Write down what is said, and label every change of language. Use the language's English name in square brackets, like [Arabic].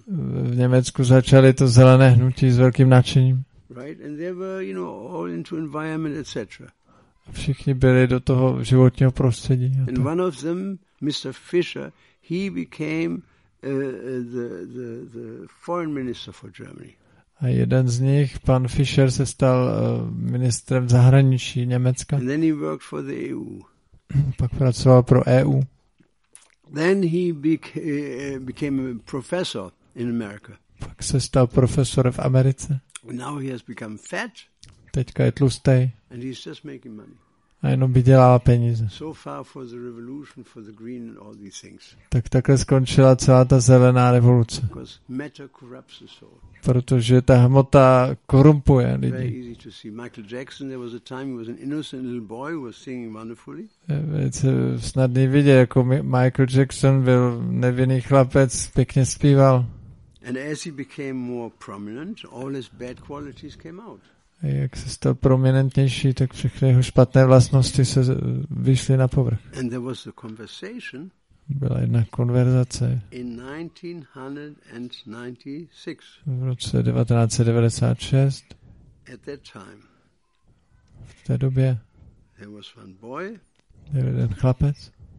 [Czech] V Německu začali to zelené hnutí s velkým nadšením. [English] Right, and they were, you know, all into environment, etc. [Czech] Všichni byli do toho životního prostředí. [English] And one of them, Mr. Fischer, he became the foreign minister for Germany. [Czech] A jeden z nich, pan Fischer, se stal ministrem zahraničí Německa. [English] And then he worked for the EU. [Czech] Pak pracoval pro EU. [English] Then he became a professor in America. [Czech] Pak se stal profesorem v Americe. [English] Now he has become fat. [Czech] Teďka je tlustý. [English] And he's just making money. [Czech] A jenom vydělává peníze. [English] So far for the revolution, for the green and all these things. [Czech] Tak takhle skončila celá ta zelená revoluce. [English] Because matter corrupts us all. [Czech] Protože ta hmota korumpuje lidi. [English] Very easy to see. Michael Jackson, there was a time he was an innocent little boy who was singing wonderfully. [Czech] Velice snadný vidět, jako Michael Jackson byl nevinný chlapec, pěkně zpíval. [English] And as he became more prominent, all his bad qualities came out. [Czech] Jak se stal prominentnější, tak všechny jeho špatné vlastnosti se vyšly na povrch. [English] And there was a conversation. [Czech] Byla jedna konverzace. [English] In 1996. [Czech] V roce 1996. [English] At that time. [Czech] V té době. [English] There was one boy. [Czech] Byl jeden chlapec.